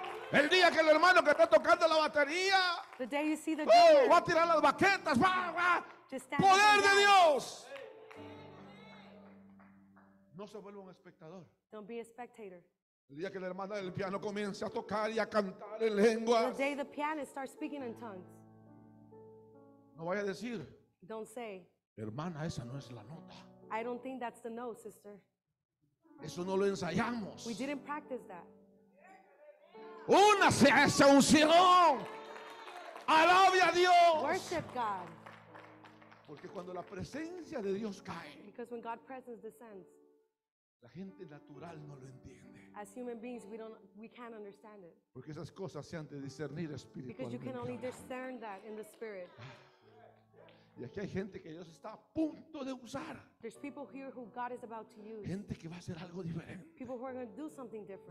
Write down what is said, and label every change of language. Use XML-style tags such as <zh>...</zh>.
<es>El día que el hermano que está tocando la batería,</es> <en>the day you see the drummer,</en> <es>va a tirar las baquetas, va, va. Poder de Dios. No se vuelva un espectador.</es> <en>Don't be a spectator.</en> <es>El día que la hermana del piano comience a tocar y a cantar en lenguas,</es> <en>the day the pianist starts speaking in tongues,</en> <es>no vaya a decir,</es> <en>don't say,</en> <es>hermana, esa no es la nota.</es> <en>I don't think that's the note, sister.</en> <es>Eso no lo ensayamos.</es> <en>We didn't practice that.</en> <es>Únase a esa unción. Alabe a Dios.</es> <en>Worship God.</en> <es>Porque cuando la presencia de Dios cae,</es> <en>because when God's presence descends,</en> <es>la gente natural no lo entiende.</es> <en>As human beings, we can't understand it.</en> <es>Porque esas cosas se han de discernir espiritualmente.</es> <en>Because you can only discern that in the spirit.</en> <es>Y aquí hay gente que Dios está a punto de usar.</es> <en>There's people here who God is about to use.</en> <es>Gente que va a hacer algo diferente.</es> <en>People who are going to do something different.</en>